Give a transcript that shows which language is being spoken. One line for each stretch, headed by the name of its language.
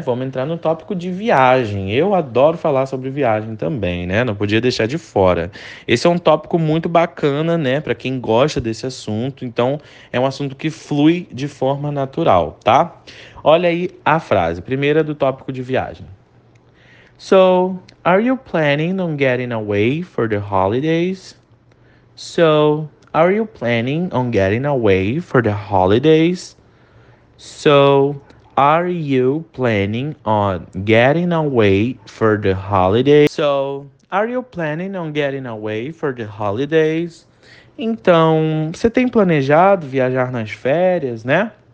Portuguese: Vamos entrar no tópico de viagem. Eu adoro falar sobre viagem também, né? Não podia deixar de fora. Esse é um tópico muito bacana, né? Para quem gosta desse assunto. Então, é um assunto que flui de forma natural, tá? Olha aí a frase. Primeira do tópico de viagem.
English: So, are you planning on getting away for the holidays? So, are you planning on getting away for the holidays? So, are you planning on getting away for the holidays? So, are you planning on getting away for the holidays?
Portuguese: Então, você tem planejado viajar nas férias, né?